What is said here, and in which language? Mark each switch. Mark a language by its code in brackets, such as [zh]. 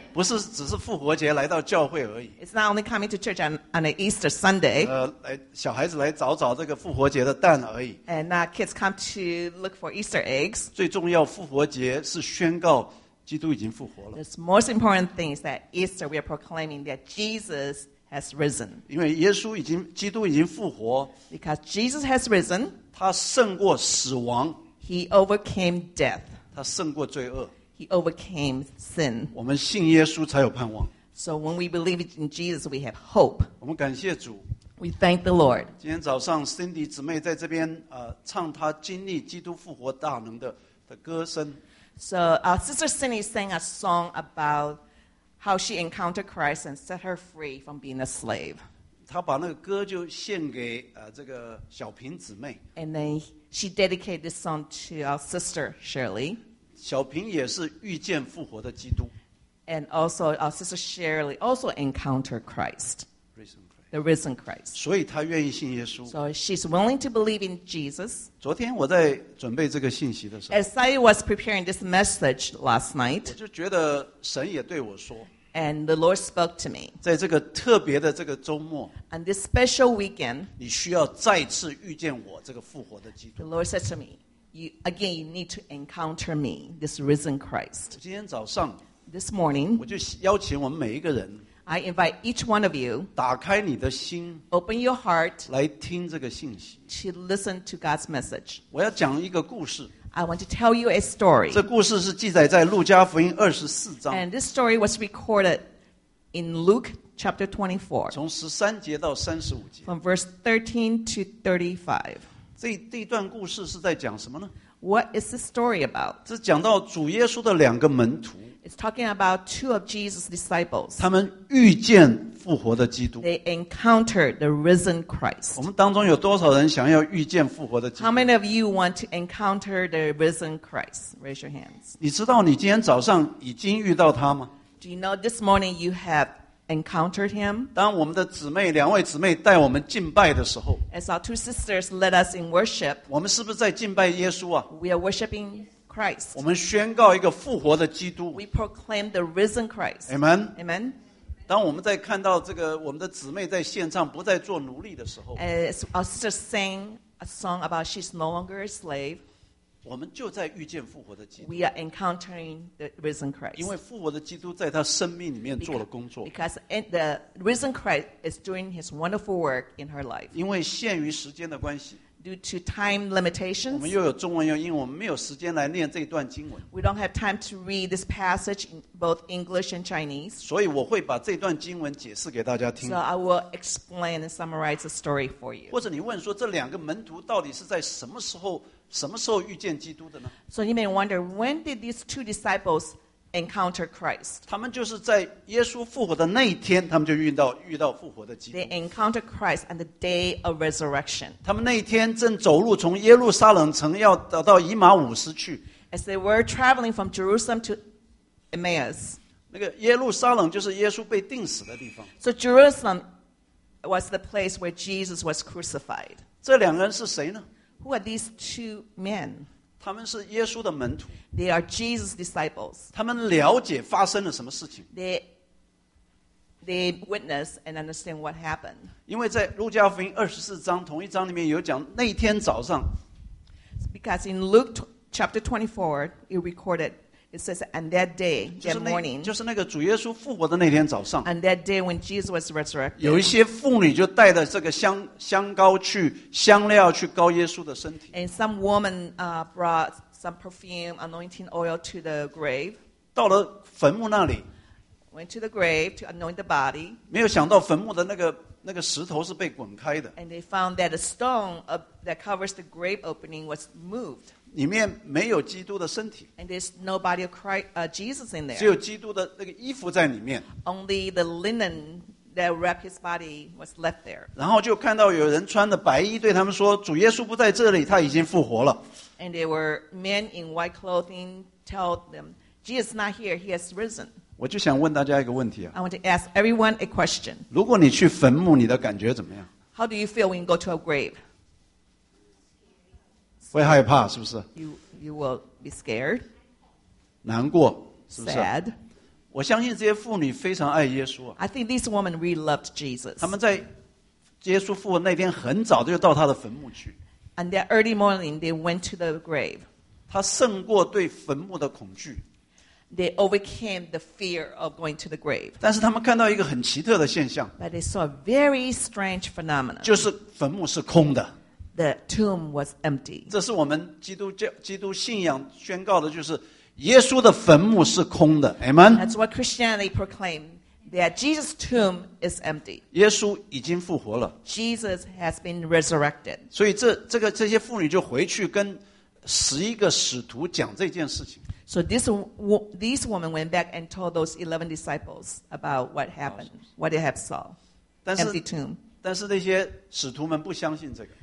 [zh] 不是只是复活节来到教会而已. [en] It's not only coming to church on an Easter Sunday. [zh] 小孩子来找找这个复活节的蛋而已. [en] And kids come to look for Easter eggs. [zh] 最重要复活节是宣告基督已经复活了. [en] The most important thing is that Easter we are proclaiming that Jesus has risen. [zh] 因为耶稣已经基督已经复活. [en] Because Jesus has risen. [zh] 他胜过死亡. [en] He overcame death. [zh] 他胜过罪恶. [en] He overcame sin. [zh] 我们信耶稣才有盼望. [en] So when we believe in Jesus, we have hope. [zh] 我们感谢主. [en] We thank the Lord. [zh] 今天早上 Cindy 姊妹在这边 唱她经历基督复活大能的歌声. [en] So Sister Cindy sang a song about how she encountered Christ and set her free from being a slave. [zh] 她把那个歌就献给 这个小平姊妹. [en] And then she dedicated this song to our sister Shirley. [zh] 小平也是遇见复活的基督. [en] And also our sister Shirley also encountered Christ. The risen Christ. [zh] 所以她愿意信耶稣. [en] So she's willing to believe in Jesus. [zh] 昨天我在准备这个信息的时候, [en] as I was preparing this message last night, [zh] 我就觉得神也对我说, [en] and the Lord spoke to me, [zh] 在这个特别的这个周末, [en] on this special weekend, [zh] 你需要再次遇见我这个复活的基督. [en] The Lord said to me, you need to encounter me, this risen Christ. [zh] 今天早上, [en] this morning, [zh] 我就邀请我们每一个人, [en] I invite each one of you, [zh] 打开你的心, [en] open your heart, [zh] 来听这个信息, [en] to listen to God's message. [zh] 我要讲一个故事, [en] I want to tell you a story. [zh] 这故事是记载在路加福音24章, [en] and this story was recorded in Luke chapter 24, [zh] 从13节到35节, [en] from verse 13 to 35. [zh] 这段故事是在讲什么呢? [en] What is this story about? [zh] 这讲到主耶稣的两个门徒, [en] it's talking about two of Jesus' disciples. [zh] 他们遇见复活的基督, [en] they encountered the risen Christ. [zh] 我们当中有多少人想要遇见复活的基督? [en] How many of you want to encounter the risen Christ? Raise your hands. [zh] 你知道你今天早上已经遇到他吗? [en] Do you know this morning you have encountered him? [zh] 当我们的姊妹, 两位姊妹带我们敬拜的时候, [en] as our two sisters led us in worship, [zh] 我们是不是在敬拜耶稣啊? [en] We are worshiping Christ. [zh] 我们宣告一个复活的基督, [en] we proclaim the risen Christ. Amen. Amen. [zh] 当我们在看到这个, 我们的姊妹在献唱, 不再做奴隶的时候, [en] as our sister sang a song about she's no longer a slave, [zh] 我们就在遇见复活的基督. [en] We are encountering the risen Christ. [zh] 因为复活的基督在他生命里面做了工作. [en] Because the risen Christ is doing his wonderful work in her life. [zh] 因为限于时间的关系. [en] Due to time limitations. [zh] 我们又有中文又英文, 我们没有时间来念这段经文. [en] We don't have time to read this passage in both English and Chinese. [zh] 所以我会把这段经文解释给大家听. [en] So I will explain and summarize the story for you. [zh] 或者你问说, 这两个门徒到底是在什么时候 什么时候遇见基督的呢? [en] So you may wonder, when did these two disciples encounter Christ? [zh] 他们就是在耶稣复活的那一天, 他们就遇到复活的基督. [en] They encountered Christ on the day of resurrection. [zh] 他们那一天正走路从耶路撒冷城要到以马忤斯去. [en] As they were traveling from Jerusalem to Emmaus. [zh] 那个耶路撒冷就是耶稣被钉死的地方. [en] So Jerusalem was the place where Jesus was crucified. [zh] 这两个人是谁呢? [en] Who are these two men? [zh] 他们是耶稣的门徒。 [en] They are Jesus' disciples. [zh] 他们了解发生了什么事情。 [en] They witness and understand what happened. [zh] 因为在路加福音二十四章同一章里面有讲那天早上。 [en] Because in Luke chapter 24, it recorded, it says, and that day, that morning. [zh] 就是那个主耶稣复活的那天早上。 [en] And that day when Jesus was resurrected. [zh] 有一些妇女就带着这个香膏去香料去膏耶稣的身体。 [en] And some woman brought some perfume, anointing oil to the grave. [zh] 到了坟墓那里。 [en] Went to the grave to anoint the body. [zh] 没有想到坟墓的那个石头是被滚开的。 [en] And they found that a stone that covers the grave opening was moved. [zh] 里面没有基督的身体。 [en] And there's no body of Christ, Jesus in there. [zh] 只有基督的那个衣服在里面。 [en] Only the linen that wrapped his body was left there. [zh] 然后就看到有人穿着白衣对他们说，主耶稣不在这里，他已经复活了。 [en] And there were men in white clothing tell them, Jesus is not here, he has risen. [zh] 我就想问大家一个问题啊。 [en] I want to ask everyone a question. [zh] 如果你去坟墓，你的感觉怎么样？ [en] How do you feel when you go to a grave? [zh] 会害怕是不是？ [en] You will be scared. [zh] 难过是不是？ [en] Sad. [zh] 我相信这些妇女非常爱耶稣。 [en] I think these women really loved Jesus. [zh] 他们在耶稣复活那天很早就到他的坟墓去。 [en] And that early morning they went to the grave. [zh] 他胜过对坟墓的恐惧。 [en] They overcame the fear of going to the grave. [zh] 但是他们看到一个很奇特的现象。 [en] But they saw a very strange phenomenon. [zh] 就是坟墓是空的。 [en] The tomb was empty. [zh] 这是我们基督信仰宣告的，就是耶稣的坟墓是空的。 [en] Amen. That's what Christianity proclaimed, that Jesus' tomb is empty. [zh] 耶稣已经复活了。 [en] Jesus has been resurrected. [zh] 所以这些妇女就回去跟十一个使徒讲这件事情。 [en] So these women went back and told those 11 disciples about what happened, what they have saw, empty tomb. [zh] 但是那些使徒们不相信这个。